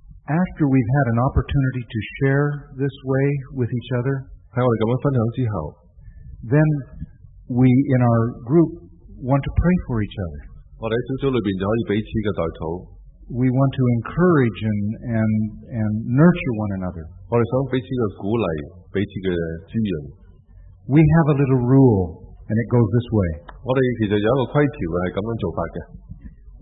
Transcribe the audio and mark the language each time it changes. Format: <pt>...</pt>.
<en>After we've had an opportunity to share this way with each other,</en> <zh>在我们这样分享之后,</zh> <en>then we in our group want to pray for each other.</en> <zh>我们在小组里面就可以彼此的代祷。</zh> <en>We want to encourage and nurture one another.</en> <zh>我们想彼此的鼓励，彼此的滋润。</zh> <en>We have a little rule, and it goes this way.</en> <zh>我们其实有一个规条是这样做法的。</zh>